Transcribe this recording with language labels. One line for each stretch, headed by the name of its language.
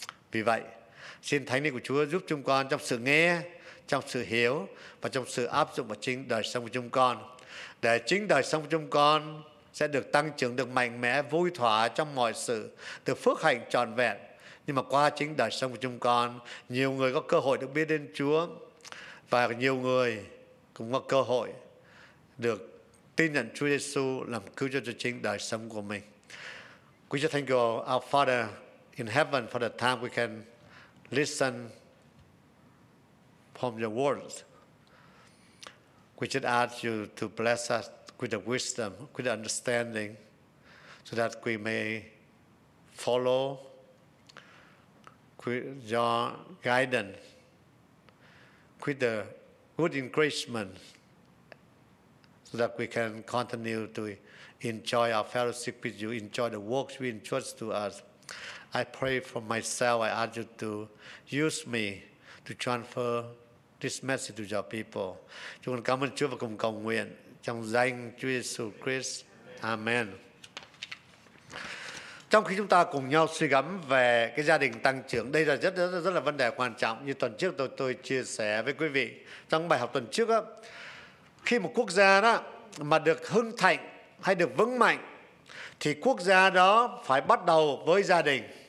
Vietnamese: Vì vậy, xin Thánh Linh của Chúa giúp chúng con trong sự nghe, trong sự hiểu và trong sự áp dụng vào chính đời sống của chúng con, để chính đời sống của chúng con sẽ được tăng trưởng, được mạnh mẽ, vui thỏa trong mọi sự, được phước hạnh trọn vẹn. Nhưng mà qua chính đời sống của chúng con, nhiều người có cơ hội được biết đến Chúa và nhiều người cũng có cơ hội được tin nhận Chúa Giêsu làm cứu cho chính đời sống của mình.
English: We just thank you, our Father in heaven, for the time we can listen from your words. We just ask you to bless us with the wisdom, with the understanding, so that we may follow your guidance, with the good encouragement, so that we can continue to enjoy our fellowship with you, enjoy the works you entrust to us. I pray for myself, I ask you to use me to transfer this message to your people.
Vietnamese: Chúng con cảm ơn Chúa và cùng cầu nguyện trong danh Chúa Jesus Christ. Amen. Trong khi chúng ta cùng nhau suy gẫm về cái gia đình tăng trưởng, đây là rất là vấn đề quan trọng. Như tuần trước tôi chia sẻ với quý vị trong bài học tuần trước đó, khi một quốc gia đó mà được hưng thịnh hay được vững mạnh thì quốc gia đó phải bắt đầu với gia đình.